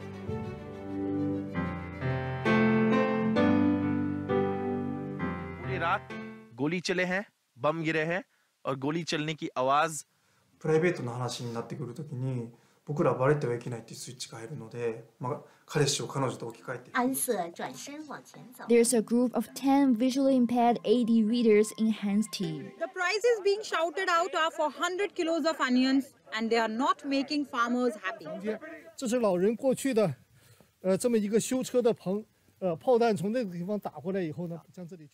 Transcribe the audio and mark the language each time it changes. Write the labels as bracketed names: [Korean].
[Hindi] पूरी रात गोली चले हैं, बम गिरे हैं, और गोली चलने की आवाज [Japanese] プライベートの話になってくるときに僕らバレてはいけないっていうスイッチが入るので、まあ、彼氏を彼女と置き換えて [Chinese] 安瑟转身往前走 [English] There's a group of 10 visually impaired AD readers in Han's team The prices being shouted out are for 100 kilos of onions and they are not making farmers happy [Chinese] 这是老人过去的这么一个修车的棚炮弹从那个地方打过来以后呢将这里